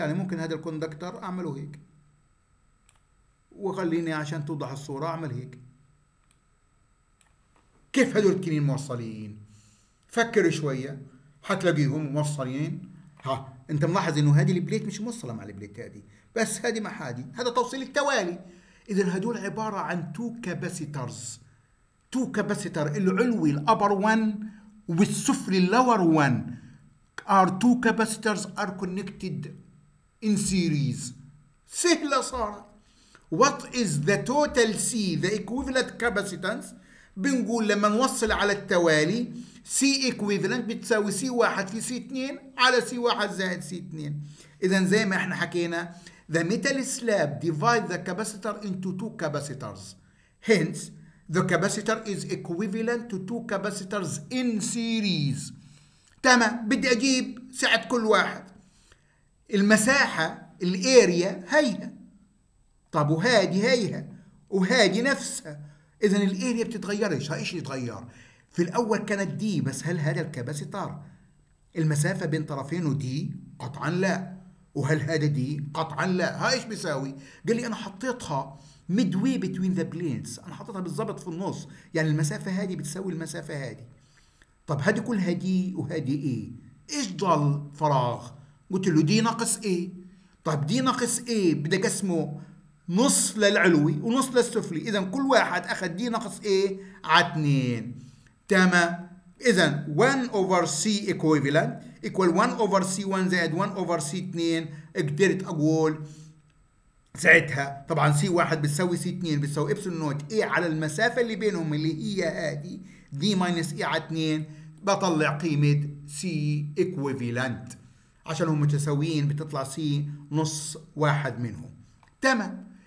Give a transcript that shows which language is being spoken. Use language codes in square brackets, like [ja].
[ar] يعني ممكن هذا الكوندكتر اعمله هيك وخليني عشان توضح الصورة اعمل هيك. كيف هدول الكنين موصلين؟ فكر شوية حتلاقيهم موصلين. ها انت ملاحظ انه هذه البليت مش موصلة مع البليت هذه، بس هذه مع هذه، هذا توصيل التوالي. إذا هدول عبارة عن [en] two capacitors، two capacitors العلوي upper one والسفلي lower one are two capacitors are connected in series. [ar] سهلة صارت. [en] What is the total C the equivalent capacitance؟ [ar] بنقول لما نوصل على التوالي C equivalent بتساوي C واحد في C اثنين على C واحد زائد C اثنين. إذا زي ما إحنا حكينا [en] the metal slab divide the capacitor into two capacitors. Hence, the capacitor is equivalent to two capacitors in series. [ar] تمام، بدي أجيب سعة كل واحد. المساحة الأريا هيها. طب وهذه هيها. وهذه نفسها. إذن الأريا بتتغيرش. هاي إيش يتغير؟ في الأول كانت دي، بس هل هذا الكاباسيتر المسافة بين طرفينه دي؟ قطعاً لا. وهل هذا دي؟ قطعا لا. ها ايش بيساوي؟ قال لي انا حطيتها [en] midway between the planes، [ar] انا حطيتها بالضبط في النص، يعني المسافه هذه بتساوي المسافه هذه. طب هادي كلها دي وهادي ايه؟ ايش ضل فراغ؟ قلت له دي ناقص ايه؟ طب دي ناقص ايه؟ بدك اسمه نص للعلوي ونص للسفلي، اذا كل واحد اخذ دي ناقص ايه على 2. تمام. [en] اذا 1 over c equivalent equal 1 over c1 زائد 1 over c2. [ar] قدرت اقول ساعتها طبعا c1 بتساوي c2 بتساوي ايبسلون نوت a على المسافة اللي بينهم اللي هي هذه d minus a على 2، بطلع قيمة c equivalent عشان هم متساويين بتطلع c نص واحد منهم. تمام.